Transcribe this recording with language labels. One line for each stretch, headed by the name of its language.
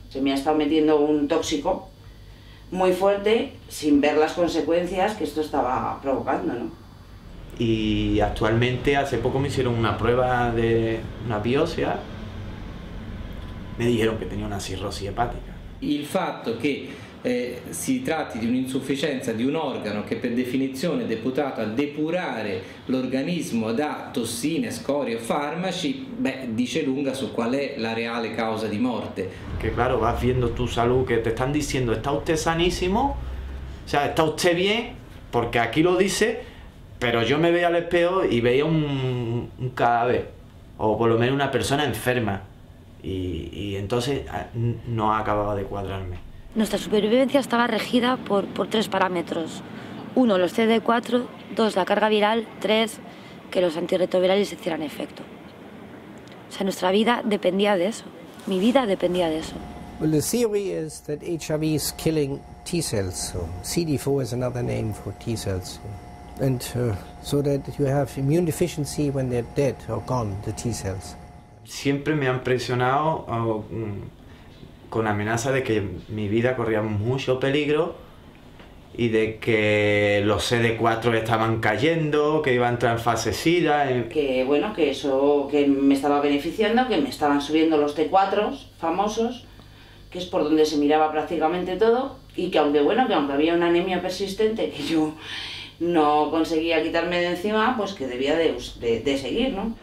Spanish: Se me ha estado metiendo un tóxico muy fuerte sin ver las consecuencias que esto estaba provocando, ¿no? Y actualmente, hace poco me hicieron una prueba de una biopsia, me dijeron que tenía una cirrosis hepática.
Italian: Y el fato que si tratti di un'insufficienza di un organo che per definizione è deputato a depurare l'organismo da tossine, scorie o farmaci, beh, dice lunga su qual è la reale causa di morte.
Spanish: Che claro, vas viendo tu salud, che te están diciendo, está usted sanísimo, o sea, está usted bien, porque aquí lo dice, pero yo me veía al espejo y veía un cadáver, o por lo menos una persona enferma. Y entonces no acababa de cuadrarme. Nuestra supervivencia estaba regida por tres parámetros. Uno, los CD4, dos, la carga viral, tres, que los antirretrovirales hicieran efecto. O sea, nuestra vida dependía de eso. Mi vida dependía de eso.
English: Well, the theory is that HIV is killing T cells. So CD4 is another name for T cells. And so that you have immune deficiency when they're dead or gone, the T cells.
Spanish: Siempre me han presionado con amenaza de que mi vida corría mucho peligro y de que los CD4 estaban cayendo, que iba a entrar en fase SIDA. Que bueno, que eso que me estaba beneficiando, que me estaban subiendo los T4 famosos, que es por donde se miraba prácticamente todo, y que aunque bueno, que aunque había una anemia persistente que yo no conseguía quitarme de encima, pues que debía de seguir, ¿no?